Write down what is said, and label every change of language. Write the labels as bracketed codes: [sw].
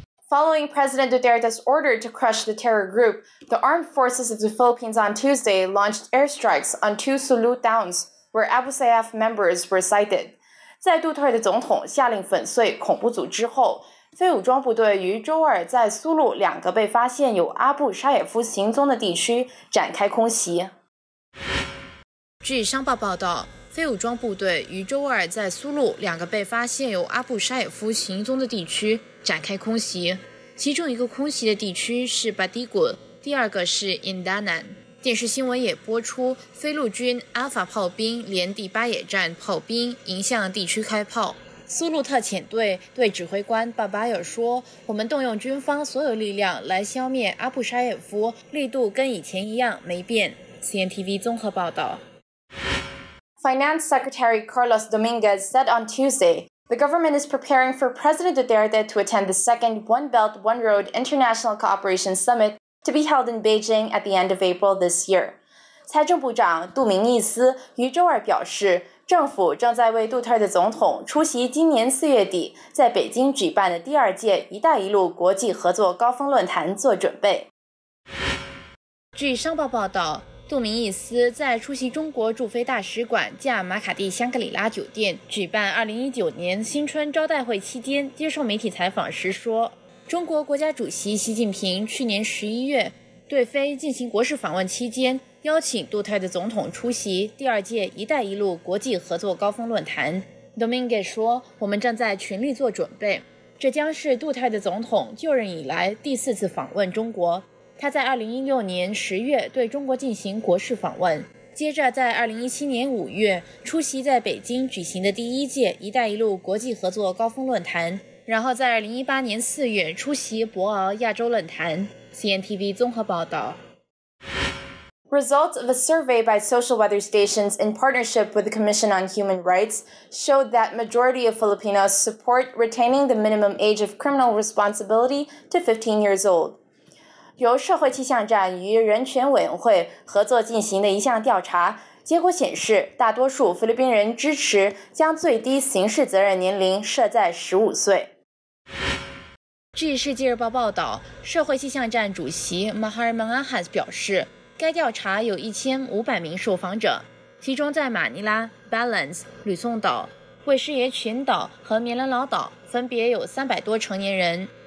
[en] Following President Duterte's order to crush the terror group, the armed forces of the Philippines on Tuesday launched airstrikes on two Sulu towns where Abu Sayyaf members were sighted. [zh] 在杜特尔特总统下令粉碎恐怖组织后，非武装部队于周二在苏鲁两个被发现有阿布沙耶夫行踪的地区展开空袭。据商报报道，非武装部队于周二在苏鲁两个被发现有阿布沙耶夫行踪的地区展开空袭，其中一个空袭的地区是巴迪古，第二个是印达南。电视新闻也播出菲陆军阿法炮兵连第八野战炮兵迎向地区开炮。苏鲁特遣队对指挥官巴巴尔说，我们动用军方所有力量来消灭阿布沙耶夫，力度跟以前一样没变。 CNTV 综合报道。 [en] Finance Secretary Carlos Dominguez said on Tuesday, the government is preparing for President Duterte to attend the second One Belt, One Road International Cooperation Summit to be held in Beijing at the end of April this year. [zh] 财政部长杜明义斯于周二表示，政府正在为杜特尔特总统出席今年四月底在北京举办的第二届“一带一路”国际合作高峰论坛做准备。据商报报道，杜明义斯在出席中国驻菲大使馆驾马卡蒂香格里拉酒店举办2019年新春招待会期间接受媒体采访时说，中国国家主席习近平去年11月对菲进行国事访问期间邀请杜特尔特总统出席第二届一带一路国际合作高峰论坛。 Dominguez 说，我们正在全力做准备，这将是杜特尔特总统就任以来第四次访问中国。他在2016年10月对中国进行国事访问，接着在2017年5月出席在北京举行的第一届“一带一路”国际合作高峰论坛，然后在2018年4月出席博鳌亚洲论坛。 CNTV 综合报道。 [en] Results of a survey by social weather stations in partnership with the Commission on Human Rights showed that majority of Filipinos support retaining the minimum age of criminal responsibility to 15 years old. [zh] 由社会气象站与人权委员会合作进行的一项调查结果显示，大多数菲律宾人支持将最低刑事责任年龄设在15岁。据世界日报报道，社会气象站主席马哈尔曼阿哈表示，该调查有1500名受访者，其中在马尼拉、Balance、吕宋岛、卫士爷群岛和棉兰老岛分别有300多成年人。